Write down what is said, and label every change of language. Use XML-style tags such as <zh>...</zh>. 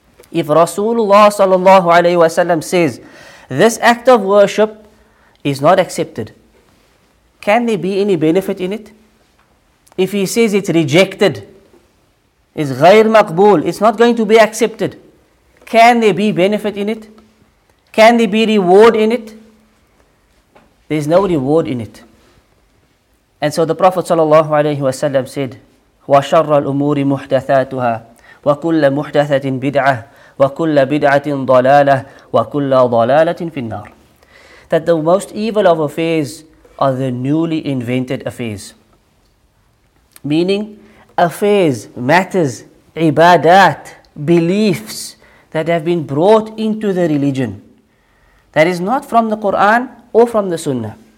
<en>If Rasulullah sallallahu alayhi wa sallam says, this act of worship is not accepted, can there be any benefit in it? If he says it's rejected, is</en> <ar>غير مقبول,</ar> <en>it's not going to be accepted, can there be benefit in it? Can there be reward in it? There's no reward in it. And so the Prophet sallallahu alayhi wa sallam said,</en> <ar>وَشَرَّ الْأُمُورِ مُحْدَثَاتُهَا وَكُلَّ مُحْدَثَةٍ بِدْعَةٍ وَكُلَّ بِدْعَةٍ ضَلَالَةٍ وَكُلَّ ضَلَالَةٍ فِي النَّارِ.</ar> <en>That the most evil of affairs are the newly invented affairs. Meaning, affairs, matters, ibadat, beliefs that have been brought into the religion, that is not from the Quran or from the Sunnah.</en>